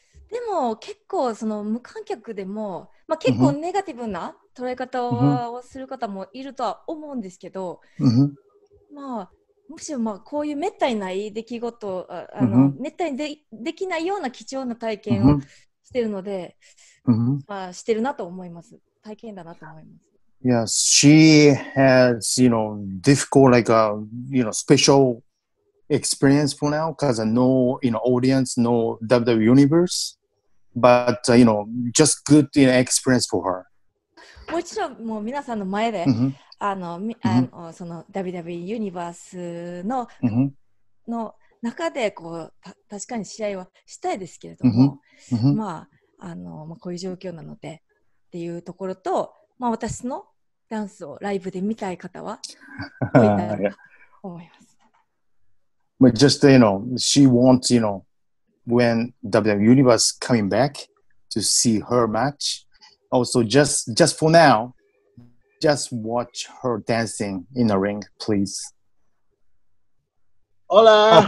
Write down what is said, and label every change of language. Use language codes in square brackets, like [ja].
[ja] でも結構その無観客でも、まあ、結構ネガティブな捉え方をする方もいるとは思うんですけど、まあ、むしろまあこういうめったにない出来事、めったに できないような貴重な体験をしてるので、まあ、してるなと思います。体験だなと思います。 [en] Yes, she has, you know, difficult, like, you know, special experience for now because no, you know, audience, no WWE universe, but, you know, just good, you know, experience for her. [ja] もちろん、もう皆さんの前で、その WWE universe の、の中で、こう、確かに試合はしたいですけれども、まあ、まあ、こういう状況なのでっていうところと、まあ、私のダンスをライブで見たい方は多いなと思います。 [en] But just, you know, she wants, you know, when WWE Universe coming back to see her match. Also, just for now, just watch her dancing in the ring, please. [es] Hola!